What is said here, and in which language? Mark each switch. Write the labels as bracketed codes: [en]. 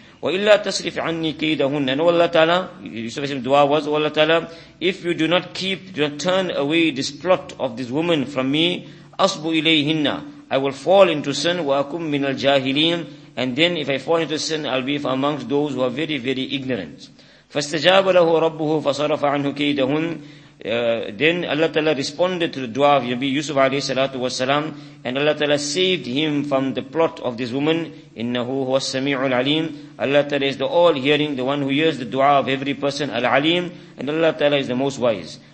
[ar] Wa illa tasrif anni kaydahunna. [en] And Allah Ta'ala, Yusuf alayhi salatu wasalam's dua was, O Allah Ta'ala, if you do not turn away this plot of this woman from me, [ar] asbu ilayhinna, [en] I will fall into sin, [ar] wa akum min al jahilin, [en] and then if I fall into sin, I'll be amongst those who are very, very ignorant. [ar] فَاسْتَجَابَ لَهُ رَبُّهُ فَصَرَفَ عَنْهُ كَيْدَهُنْ. [en] Then Allah Ta'ala responded to the dua of Nabi Yusuf alayhi salatu wasalam, and Allah Ta'ala saved him from the plot of this woman. [ar] إِنَّهُ هُوَ السَّمِيعُ الْعَلِيمُ. [en] Allah Ta'ala is the all-hearing, the one who hears the dua of every person, al-alim, and Allah Ta'ala is the most wise.